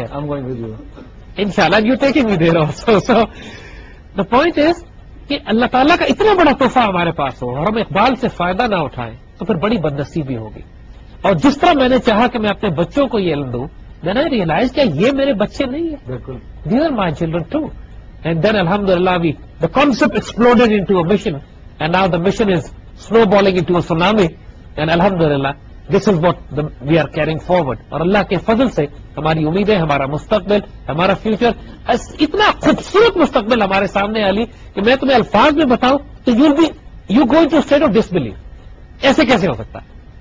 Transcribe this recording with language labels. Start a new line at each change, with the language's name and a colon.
English: I am going with you ان شاء اللہ. You taking me there also. So the point is
Urdu: کہ اللہ تعالیٰ کا اتنا بڑا تحفہ ہمارے پاس ہو اور ہم اقبال سے فائدہ نہ اٹھائیں تو پھر بڑی بدنصیبی ہوگی. اور جس طرح میں نے چاہا کہ میں اپنے بچوں کو یہ علم دوں،
English: then I realize
Urdu: کیا یہ میرے بچے نہیں ہیں. بالکل،
English: These are my children too. And then الحمد للہ we the concept exploded into a mission and now the mission is snowballing into a tsunami. And الحمد للہ this is what we are carrying forward.
Urdu: اور اللہ کے فضل سے ہماری امیدیں، ہمارا مستقبل، ہمارا فیوچر، اتنا خوبصورت مستقبل ہمارے سامنے آ لی کہ میں تمہیں الفاظ میں بتاؤں تو
English: You going to state of disbelief.
Urdu: ایسے کیسے ہو سکتا ہے؟